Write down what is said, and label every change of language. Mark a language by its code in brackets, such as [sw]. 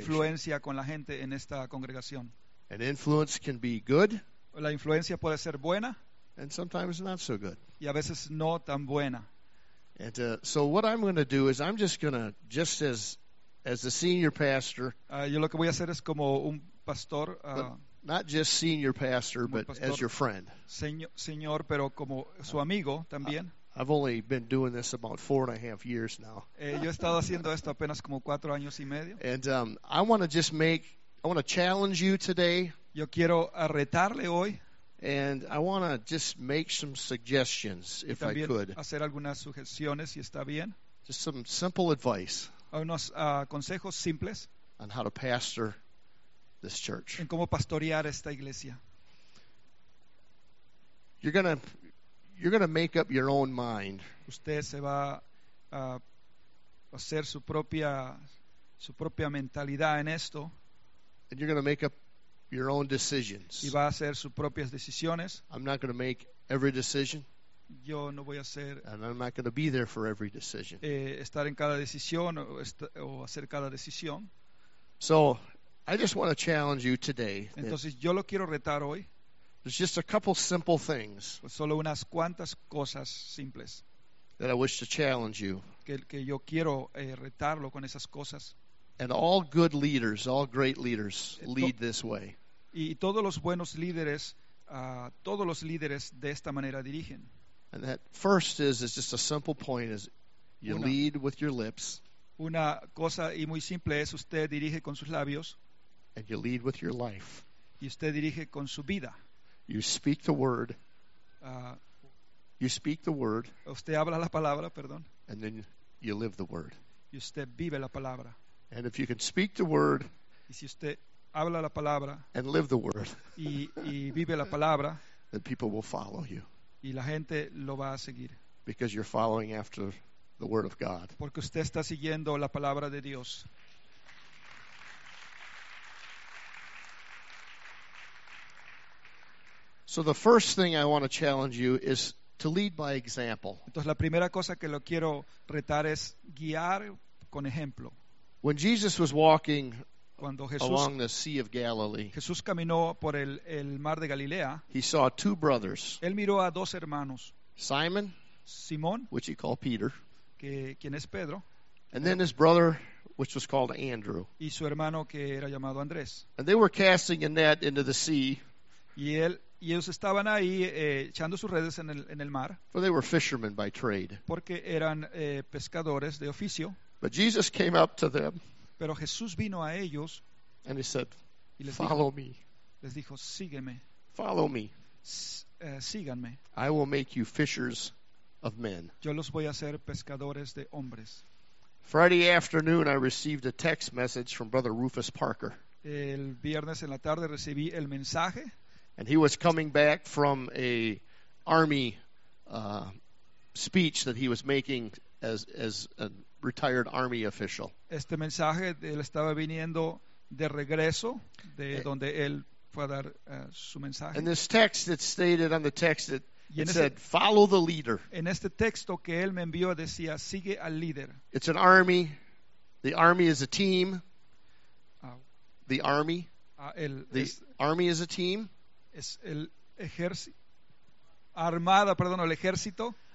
[es] Influencia con la gente en esta congregación. [en] And influence can be good. [es] La influencia puede ser buena. [en] And sometimes not so good. [es] Y a veces no tan buena. [en] And so what I'm going to do is I'm just going to, just as the senior pastor, [es] yo lo que voy a hacer es como un pastor, [en] not just senior pastor, but pastor, as your friend. [es] Señor, pero como su amigo también. [en] I've only been doing this about 4.5 years now. [es] Yo he estado haciendo esto apenas como 4 años y medio. [en] And I want to challenge you today. [es] Yo quiero retarle hoy. [en] And I want to just make some suggestions, if I could. [es] Hacer algunas sugerencias, si está bien. [en] Just some simple advice. [es] Unos consejos simples. [en] On how to pastor this church. [es] En cómo pastorear esta iglesia. [en] You're gonna make up your own mind. [es] Usted se va a hacer su propia mentalidad en esto. [en] And you're gonna make up your own decisions. [es] Y va a hacer sus propias decisiones. [en] I'm not going to make every decision. [es] Yo no voy a hacer. [en] And I'm not going to be there for every decision. [es] Estar en cada decisión o hacer cada decisión. [en] So, I just want to challenge you today. [es] Entonces yo lo quiero retar hoy. [en] There's just a couple simple things. [es] Solo unas cuantas cosas simples. [en] That I wish to challenge you. [es] Que yo quiero retarlo con esas cosas. [en] And all good leaders, all great leaders, lead this way. [es] Y todos los buenos líderes, todos los líderes de esta manera dirigen. [en] And that first is just a simple point, is you lead with your lips. [es] Una cosa y muy simple es usted dirige con sus labios. [en] And you lead with your life. [es] Y usted dirige con su vida. [en] You speak the word. You speak the word. [es] Usted habla la palabra, perdón. [en] And then you live the word. [es] Y usted vive la palabra. [en] And if you can speak the word, [es] y si usted habla la palabra, [en] and live the word, [es] y vive la palabra, [en] then people will follow you. [es] Y la gente lo va a seguir. [en] Because you're following after the word of God. [es] Porque usted está siguiendo la palabra de Dios. [en] So the first thing I want to challenge you is to lead by example. [es] Entonces la primera cosa que lo quiero retar es guiar con ejemplo. [en] When Jesus was walking along the Sea of Galilee, [es] Jesús caminó por el mar de Galilea, [en] he saw two brothers. [es] Él miró a dos hermanos, [en] Simon, [es] Simón, [en] which he called Peter, [es] quien es Pedro, [en] and then his brother, which was called Andrew, [es] y su hermano que era llamado Andrés. [en] And they were casting a net into the sea, [es] y él Y ellos estaban ahí echando sus redes en el mar. [en] For they were fishermen by trade. [es] Porque eran pescadores de oficio. [en] But Jesus came up to them. [es] Pero Jesús vino a ellos. [en] And he said, [es] y les [en] follow me. [es] Les dijo, sígueme. [en] Follow me. [es] Síganme. [en] I will make you fishers of men. [es] Yo los voy a hacer pescadores de hombres. [en] Friday afternoon, I received a text message from Brother Rufus Parker. [es] El viernes en la tarde recibí el mensaje. [en] And he was coming back from a army speech that he was making as a retired army official. [es] Este mensaje él estaba viniendo de regreso de donde él fue a dar su mensaje. [en] And this text that stated on the text that it said, "Follow the leader." [es] En este texto que él me envió decía, "Sigue al líder." [en] It's an army. The army is a team. The army. Army is a team. [es] Es el ejército armada, perdón, el ejército.